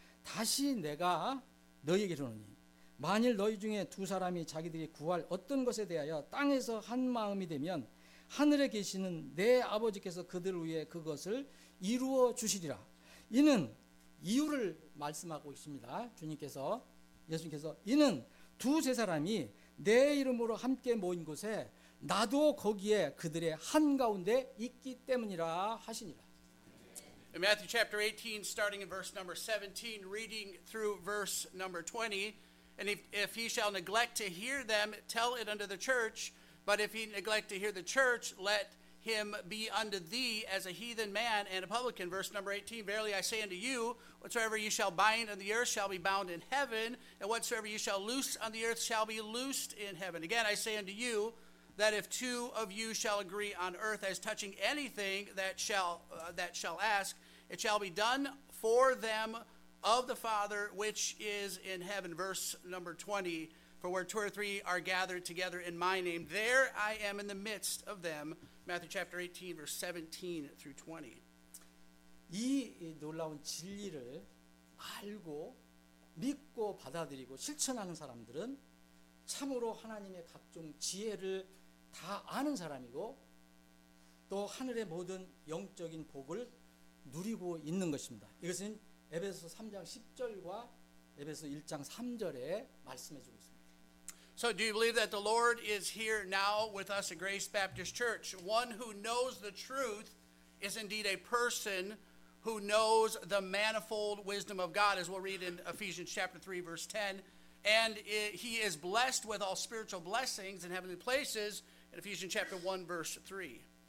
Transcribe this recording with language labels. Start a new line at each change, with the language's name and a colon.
Korean: 다시 내가 너희에게 이르노니 만일 너희 중에 두 사람이 자기들이 구할 어떤 것에 대하여 땅에서 한 마음이 되면 하늘에 계시는 내 아버지께서 그들 위해 그것을 이루어 주시리라. 이는 이유를 말씀하고 있습니다. 주님께서 예수님께서 이는 두세 사람이 내 이름으로 함께 모인 곳에 나도 거기에 그들의 한 가운데 있기 때문이라 하시니라.
English: In Matthew chapter 18 starting in verse number 17 reading through verse number 20 and if he shall neglect to hear them tell it unto the church but if he neglect to hear the church let him be unto thee as a heathen man and a publican. Verse number 18, verily I say unto you, whatsoever you shall bind on the earth shall be bound in heaven, and whatsoever you shall loose on the earth shall be loosed in heaven. Again, I say unto you, that if two of you shall agree on earth as touching anything that shall ask, it shall be done for them of the Father which is in heaven. Verse number 20, for where two or three are gathered together in my name, there I am in the midst of them. Matthew chapter 18, verse 17 through 20.
Korean: 이 놀라운 진리를 알고 믿고 받아들이고 실천하는 사람들은 참으로 하나님의 각종 지혜를 다 아는 사람이고 또 하늘의 모든 영적인 복을 누리고 있는 것입니다. 이것은 에베소서 3장 10절과 에베소서 1장 3절에 말씀해 주고 있습니다.
English: So do you believe that the Lord is here now with us at Grace Baptist Church? One who knows the truth is indeed a person who knows the manifold wisdom of God, as we'll read in Ephesians chapter 3, verse 10. And he is blessed with all spiritual blessings in heavenly places in Ephesians chapter 1, verse 3.